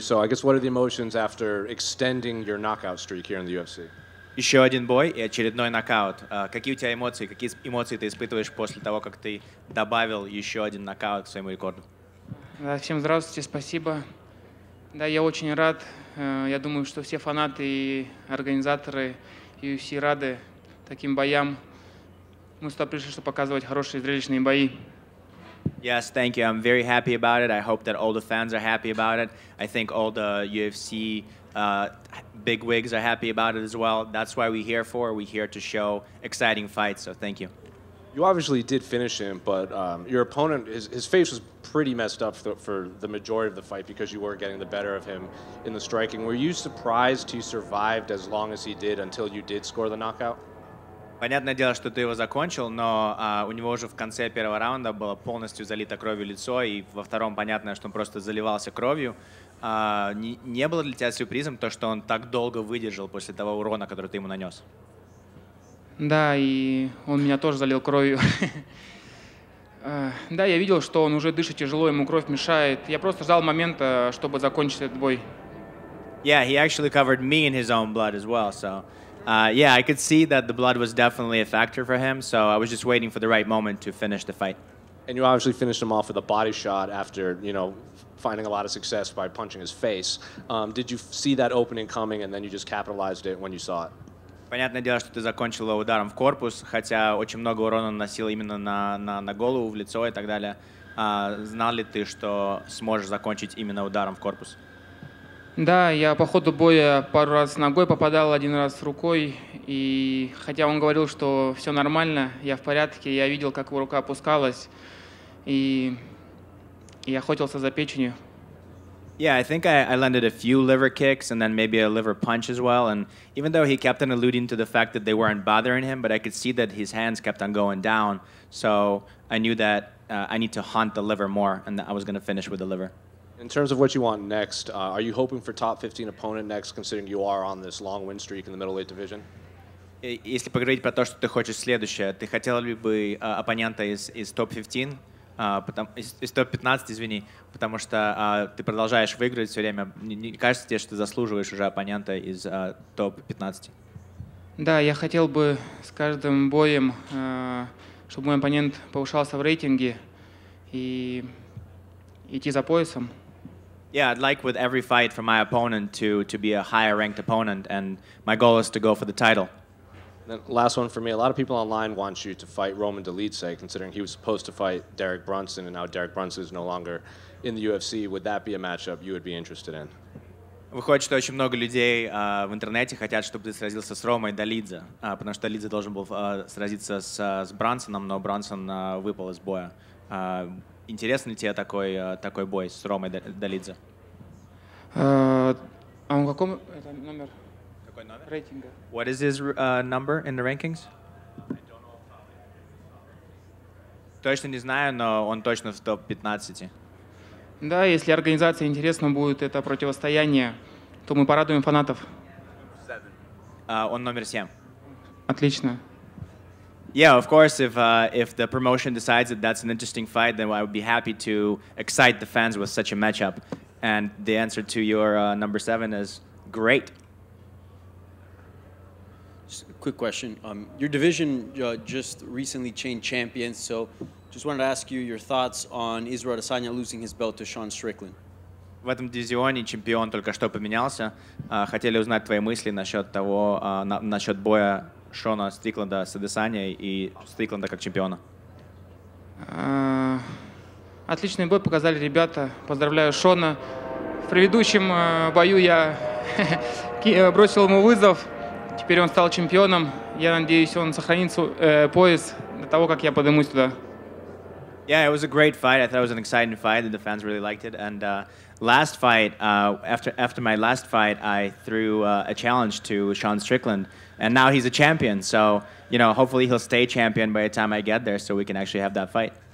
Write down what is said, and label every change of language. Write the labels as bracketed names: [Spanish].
[English] So I guess what are the emotions after extending your knockout streak here in the UFC? [Russian] Еще один бой и очередной нокаут. Какие у тебя эмоции? Какие эмоции ты испытываешь после того, как ты добавил еще один нокаут к своему рекорду? Всем здравствуйте, спасибо. Да, я очень рад. Я думаю, что все фанаты и организаторы UFC рады таким боям. Мы сюда пришли, чтобы показывать хорошие зрелищные бои. [English] Yes, thank you. I'm very happy about it. I hope that all the fans are happy about it. I think all the UFC big wigs are happy about it as well. That's why we're here for. We're here to show exciting fights, so thank you. You obviously did finish him, but your opponent, his face was pretty messed up for the majority of the fight because you were getting the better of him in the striking. Were you surprised he survived as long as he did until you did score the knockout? [Russian] Понятное дело, что ты его закончил, но у него уже в конце первого раунда было полностью залито кровью лицо, и во втором понятно, что он просто заливался кровью. Не было для тебя сюрпризом то, что он так долго выдержал после того урона, который ты ему нанес? Да, и он меня тоже залил кровью. Да, я видел, что он уже дышит тяжело, ему кровь мешает. Я просто ждал момента, чтобы закончить этот бой. [English] Yeah, he actually covered me in his own blood as well, so... yeah, I could see that the blood was definitely a factor for him, so I was just waiting for the right moment to finish the fight. And you obviously finished him off with a body shot after, you know, finding a lot of success by punching his face. Did you see that opening coming and then you just capitalized it when you saw it? [Russian] Понятное дело, что ты закончил ударом в корпус, хотя очень много урона наносил именно на голову, в лицо и так далее. Знал ли ты, что сможешь закончить именно ударом в корпус? Да, я по ходу боя пару раз ногой попадал, один раз рукой. И хотя он говорил, что все нормально, я в порядке, я видел, как его рука опускалась, и я охотился за печенью. [English] Yeah, I think I landed a few liver kicks and then maybe a liver punch as well. And even though he kept on alluding to the fact that they weren't bothering him, but I could see that his hands kept on going down. So I knew that I need to hunt the liver more and that I was going to finish with the liver. In terms of what you want next, are you hoping for top 15 opponent next, considering you are on this long win streak in the middleweight division? [Russian] Если поговорить про то, что ты хочешь следующее, ты хотел ли бы оппонента из топ-15, из топ-15, извини, потому что ты продолжаешь выигрывать все время. Не кажется тебе, что ты заслуживаешь уже оппонента из топ-15? Да, я хотел бы с каждым боем, чтобы мой оппонент повышался в рейтинге и идти за поясом. [English] Yeah, I'd like with every fight for my opponent to be a higher ranked opponent, and my goal is to go for the title. Then last one for me. A lot of people online want you to fight Roman Dolidze, considering he was supposed to fight Derek Brunson, and now Derek Brunson is no longer in the UFC. Would that be a matchup you would be interested in? [Russian] Выходит, что очень много людей в интернете хотят, чтобы ты сразился с Ромой Долидзе, потому что Долидзе должен был сразиться с Брансоном, но Брансон выпал из боя. Интересен ли тебе такой бой с Ромой Долидзе? А он каком это номер? Какой номер? Рейтинга. [English] What is his number in the rankings? I don't know. [Russian] Точно не знаю, но он точно в топ-15. Да, если организация интересна будет это противостояние, то мы порадуем фанатов. Он номер 7. Отлично. [English] Yeah, of course, if the promotion decides that that's an interesting fight, then I would be happy to excite the fans with such a matchup. And the answer to your number 7 is great. Just a quick question. Your division just recently changed champions, so just wanted to ask you your thoughts on Israel Adesanya losing his belt to Sean Strickland. [Russian] В этом дивизионе чемпион только что поменялся. Хотели узнать твои мысли насчет того, насчет боя Шона Стрикланда с Адесаней и Стрикланда как чемпиона. Отличный бой показали ребята. Поздравляю Шона. В предыдущем бою я бросил ему вызов. Теперь он стал чемпионом. Я надеюсь, он сохранит пояс до того, как я поднимусь туда. [English] Yeah, it was a great fight. I thought it was an exciting fight, and the fans really liked it. And last fight, after my last fight, I threw a challenge to Sean Strickland, and now he's a champion. So, you know, hopefully he'll stay champion by the time I get there, so we can actually have that fight.